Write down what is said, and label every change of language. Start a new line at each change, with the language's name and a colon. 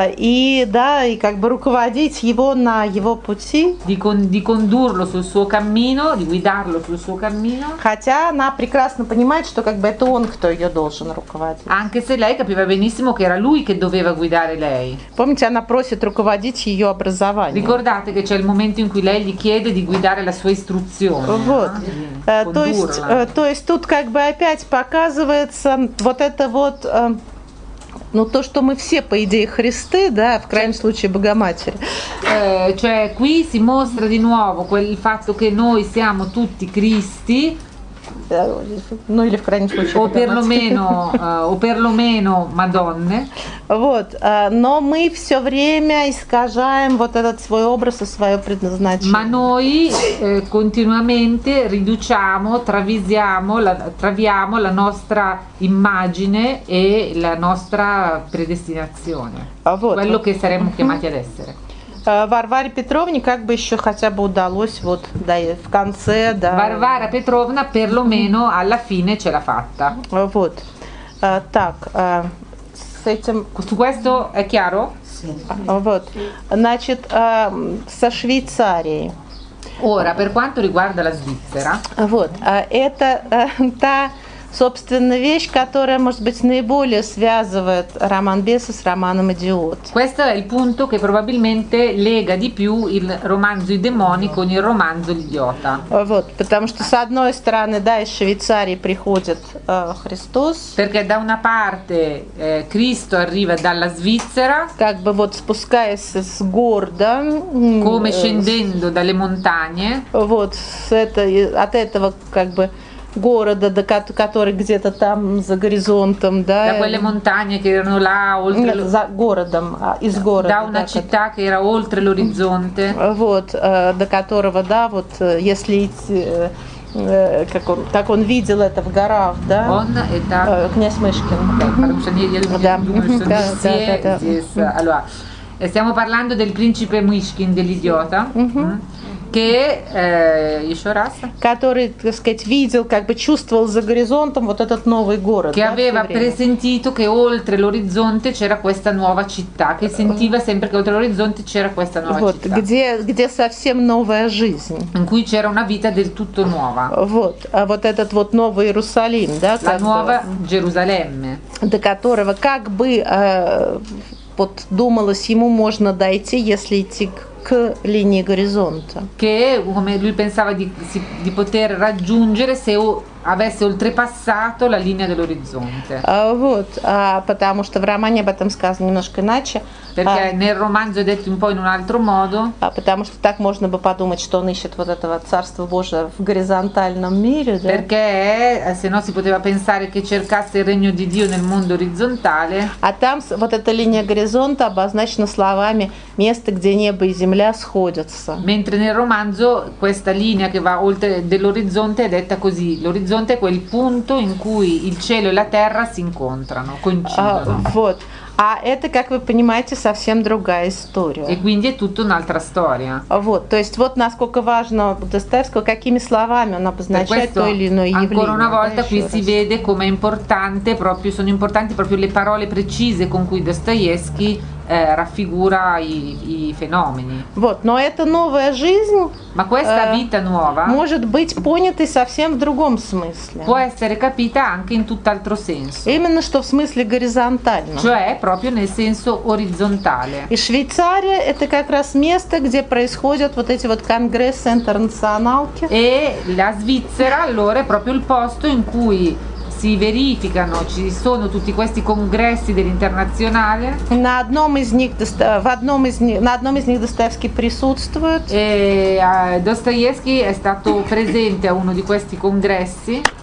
Russian: И да, и как бы руководить его на его пути.
Italian: Di condurlo sul suo cammino, di guidarlo sul suo cammino.
Russian: Хотя она прекрасно понимает, что как бы это он, кто ее должен руководить.
Italian: Anche se lei capiva benissimo che era lui che doveva guidare lei.
Russian: Помните, она просит руководить ее образование.
Italian: Ricordate che c'è il momento in cui lei gli chiede di guidare la sua istruzione.
Russian: Вот. То есть тут как бы опять показывается вот это вот Ну, то, что мы все, по идее, Христы, да, в крайнем случае, Богоматери.
Italian: Cioè, qui si mostra di nuovo quel fatto che noi siamo tutti Cristi.
Russian: Ну или в крайнем случае. О перломено Мадонне. Вот, но мы все время искажаем вот этот свой образ и свое предназначение.
Italian: Ma noi continuamente riduciamo, traviamo la nostra immagine e la nostra predestinazione. Quello che saremmo chiamati ad essere.
Russian: Варваре Петровне как бы еще хотя бы удалось вот да в конце да.
Italian: Варвара Петровна перломено alla fine ce l'ha fatta.
Russian: Вот. Так. С этим.
Italian: Su questo è chiaro?
Russian: Sì. Вот. Значит, со Швейцарией.
Italian: Ora, per quanto riguarda la Svizzera.
Russian: Вот. Это та собственно вещь, которая, может быть, наиболее связывает роман Беса с романом Идиот.
Italian: Questo è il punto che probabilmente lega di più il romanzo I demoni con il romanzo l'idiota.
Russian: Вот, потому что с одной стороны, да, из Швейцарии приходит Христос.
Italian: Perché da una parte Cristo arriva dalla Svizzera.
Russian: Как бы вот спускаясь с гор, да.
Italian: Come scendendo dalle montagne.
Russian: Вот с этой от этого как бы города, который где-то там за горизонтом, да.
Italian: Да, были montagne che erano là oltre
Russian: за городом, из города.
Italian: Да, una città che era oltre l'orizzonte.
Russian: Вот, до которого, да, вот если идти, как он, так он видел это в горах, да? Он это князь Мышкин. Да, потому что я думаю, что все здесь.
Italian: Stiamo parlando del principe Мышкин dell'idiota.
Russian: Che еще раз, который, так сказать, видел, как бы чувствовал за горизонтом вот этот новый город,
Italian: che aveva presentito che oltre l'orizzonte c'era questa nuova città, che sentiva sempre che oltre l'orizzonte c'era questa nuova città.
Russian: Вот, где совсем новая жизнь.
Italian: In cui c'era una vita del tutto nuova.
Russian: Вот, а вот этот вот новый Иерусалим, да,
Italian: la nuova Gerusalemme,
Russian: до которого как бы вот думалось ему можно дойти, если идти к линии горизонта.
Italian: Che come lui pensava di poter raggiungere se avesse oltrepassato la linea dell'orizzonte.
Russian: Вот, потому что в романе об этом сказано немножко иначе.
Italian: Perché nel romanzo è detto un po' in un altro modo.
Russian: Потому что так можно бы подумать, что он ищет вот этого царства Божия в горизонтальном мире, да?
Italian: Perché se no si poteva pensare che cercasse il regno di Dio nel mondo orizzontale.
Russian: А там вот эта линия горизонта обозначена словами место, где небо и земля сходятся.
Italian: Mentre nel romanzo questa linea che va oltre dell'orizzonte è detta così. L'orizzonte è quel punto in cui il cielo e la terra si incontrano, coincidono.
Russian: Вот. А это, как вы понимаете, совсем другая история.
Italian: И quindi è tutta un'altra storia.
Russian: Вот, то есть вот насколько важно Достоевского, какими словами он обозначает то или иное явление.
Italian: Ancora una volta qui si vede come è importante, proprio sono importanti proprio le parole precise con cui Достоевский raffigura i fenomeni.
Russian: Вот, но это новая жизнь.
Italian: Ma questa vita nuova.
Russian: Может быть понята совсем в другом смысле.
Italian: Può essere capita anche in tutt'altro senso.
Russian: Именно что в смысле горизонтально.
Italian: Cioè proprio nel senso orizzontale.
Russian: И Швейцария это как раз место, где происходят вот эти вот конгрессы интернационалки.
Italian: E la Svizzera allora è proprio il posto in cui si verificano, ci sono tutti questi congressi dell'internazionale.
Russian: На одном из них, на одном из них Достоевский присутствует.
Italian: E Достоевский è stato presente a uno di questi congressi.